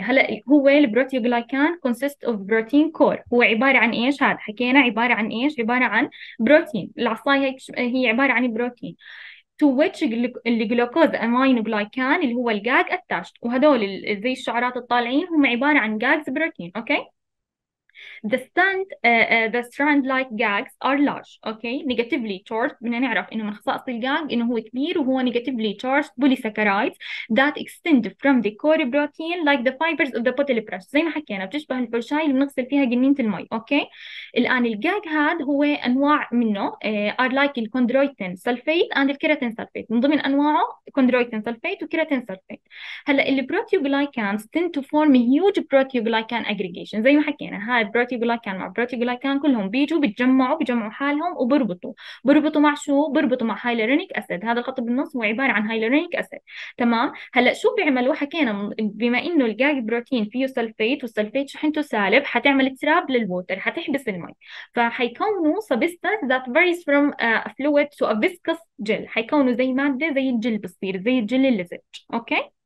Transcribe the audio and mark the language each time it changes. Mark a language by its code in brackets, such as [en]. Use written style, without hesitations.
[ar] هلا هو البروتيوغلايكان كونسيست اوف بروتين كور، هو عباره عن ايش؟ هذا حكينا عباره عن ايش؟ عباره عن بروتين، العصاية هي عباره عن بروتين. تو ويتش الجلوكوز امينو جلايكان اللي هو الجاج اتاشت، وهدول زي الشعرات الطالعين هم عباره عن جاجز بروتين، اوكي؟ [en] The strand like gags are large, okay, negatively charged. [ar] بدنا نعرف انه من خصائص الجاج انه هو كبير وهو [en] negatively charged polysaccharides that extend from the core protein like the fibers of the potato brush. [ar] زي ما حكينا بتشبه الفرشاي اللي بنغسل فيها جنينة المي، اوكي؟ الان الجاج هاد هو انواع منه are like الكوندرويتين سلفيت and الكيراتين سلفيت، من ضمن انواعه كوندرويتين سلفيت وكيراتين سلفيت. هلا البروتيوغلايكانز [en] tend to form a huge proteoglycan aggregation، [ar] زي ما حكينا هاي البروتيوغلايكان مع البروتيوغلايكان كلهم بيجوا بيتجمعوا حالهم وبربطوا، بربطوا مع شو؟ بربطوا مع هايلورونيك اسيد، هذا الخط بالنص هو عباره عن هايلورونيك اسيد، تمام؟ هلا شو بيعملوا؟ حكينا بما انه الجاج بروتين فيه سلفيت والسلفيت شحنته سالب، حتعمل تراب للووتر، حتحبس المي، فحيكونوا [en] substance that varies from fluid to a viscous gel, [ar] حيكونوا زي ماده زي الجل، بتصير زي الجل اللزج، اوكي؟